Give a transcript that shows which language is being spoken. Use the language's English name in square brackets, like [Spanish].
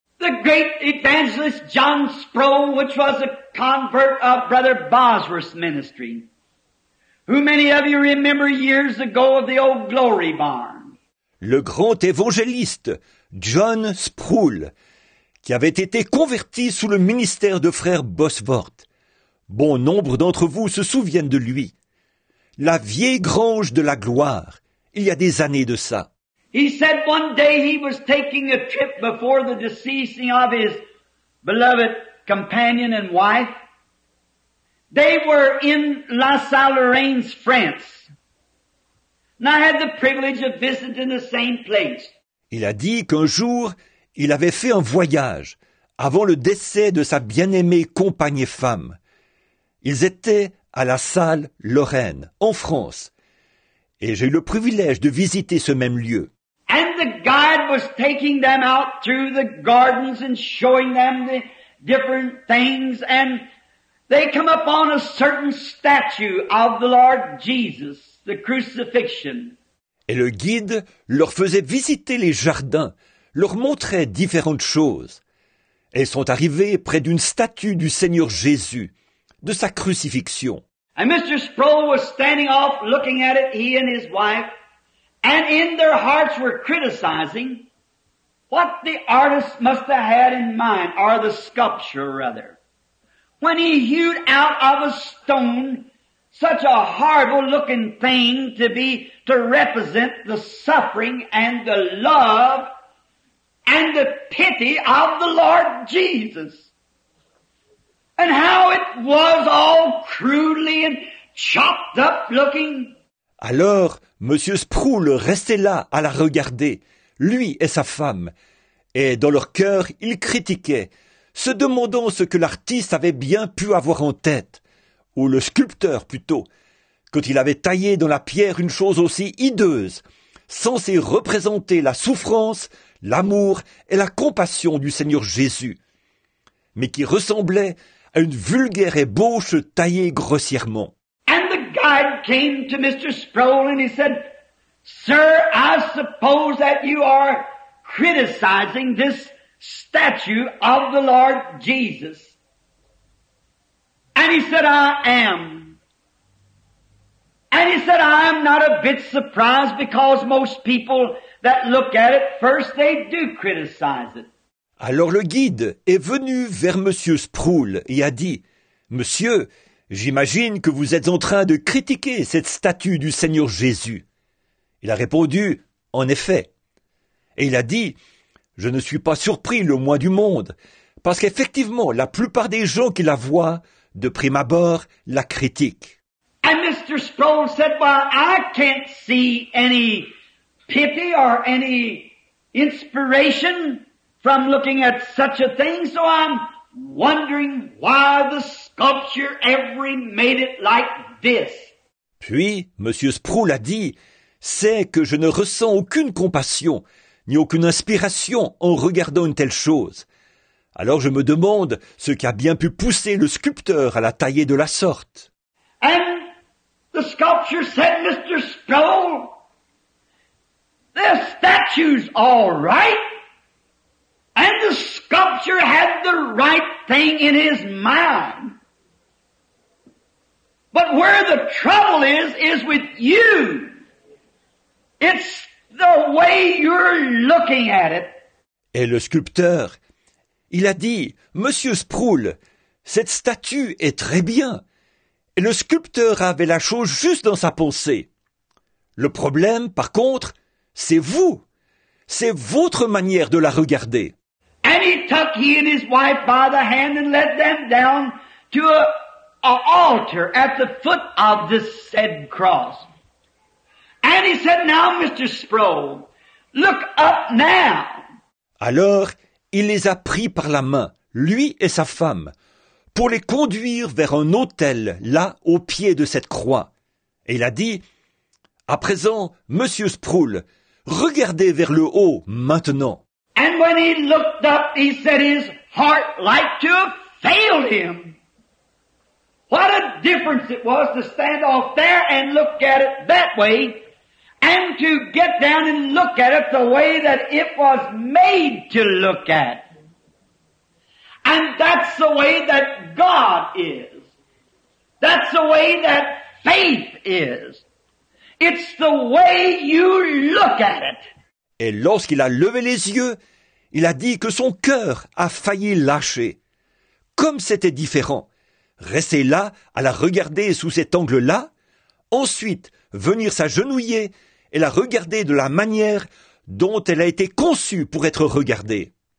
[English] The great evangelist John Sproul, which was a convert of Brother Bosworth's ministry, who many of you remember years ago of the old Glory Barn. [French] Le grand évangéliste John Sproul, qui avait été converti sous le ministère de frère Bosworth. Bon nombre d'entre vous se souviennent de lui. La vieille grange de la gloire. Il y a des années de ça. [English] He said one day he was taking a trip before the deceasing of his beloved companion and wife. They were in La Salle-Lorraine's, France. And I had the privilege of visiting the same place. [French] Il a dit qu'un jour, il avait fait un voyage avant le décès de sa bien-aimée compagne et femme. Ils étaient à La Salle-Lorraine, en France. Et j'ai eu le privilège de visiter ce même lieu. [English] And the guide was taking them out through the gardens and showing them the different things, and they come upon a certain statue of the Lord Jesus, the crucifixion. [French] Et le guide leur faisait visiter les jardins, leur montrait différentes choses. Elles sont arrivées près d'une statue du Seigneur Jésus, de sa crucifixion. [English] And Mr. Sproul was standing off looking at it, he and his wife, and in their hearts were criticizing what the artist must have had in mind, or the sculpture rather, when he hewed out of a stone such a horrible looking thing to be, to represent the suffering and the love and the pity of the Lord Jesus. And how it was all crudely and chopped up looking. [French] Alors, Monsieur Sproul restait là à la regarder, lui et sa femme, et dans leur cœur, ils critiquaient, se demandant ce que l'artiste avait bien pu avoir en tête, ou le sculpteur plutôt, quand il avait taillé dans la pierre une chose aussi hideuse, censée représenter la souffrance, l'amour et la compassion du Seigneur Jésus, mais qui ressemblait à une vulgaire ébauche taillée grossièrement. [English] And the guide came to Mr. Sproul and he said, Sir, I suppose that you are criticizing this statue of the Lord Jesus. And he said, I am. And he said, I am not a bit surprised because most people that look at it first, they do criticize it. [French] Alors le guide est venu vers Monsieur Sproul et a dit, « Monsieur, j'imagine que vous êtes en train de critiquer cette statue du Seigneur Jésus. » Il a répondu, « En effet. » Et il a dit, « Je ne suis pas surpris le moins du monde, parce qu'effectivement, la plupart des gens qui la voient, de prime abord, la critiquent. [English] And Mr. Sproul said, well, I can't see any pity or any inspiration from looking at such a thing, so I'm wondering why the sculpture ever made it like this. [French] Puis, Monsieur Sproul a dit, c'est que je ne ressens aucune compassion ni aucune inspiration en regardant une telle chose. Alors je me demande ce qui a bien pu pousser le sculpteur à la tailler de la sorte. [English] And the sculpture said, Mr. Sproul, the statue's all right, and the sculpture had the right thing in his mind. But where the trouble is with you. It's the way you're looking at it. [French] Et le sculpteur, il a dit, Monsieur Sproul, cette statue est très bien. Et le sculpteur avait la chose juste dans sa pensée. Le problème, par contre, c'est vous. C'est votre manière de la regarder. [English] And he took he and his wife by the hand and led them down to an altar at the foot of this said cross. And he said, now, Mr. Sproul, look up now. [French] Alors, il les a pris par la main, lui et sa femme, pour les conduire vers un autel, là, au pied de cette croix. Et il a dit, à présent, Monsieur Sproul, regardez vers le haut, maintenant. [English] And when he looked up, he said his heart like to have failed him. What a difference it was to stand off there and look at it that way. And to get down and look at it the way that it was made to look at. And that's the way that God is. That's the way that faith is. It's the way you look at it. [French] Et lorsqu'il a levé les yeux, il a dit que son cœur a failli lâcher. Comme c'était différent. Rester là, à la regarder sous cet angle-là. Ensuite, venir s'agenouiller et la regarder de la manière dont elle a été conçue pour être regardée.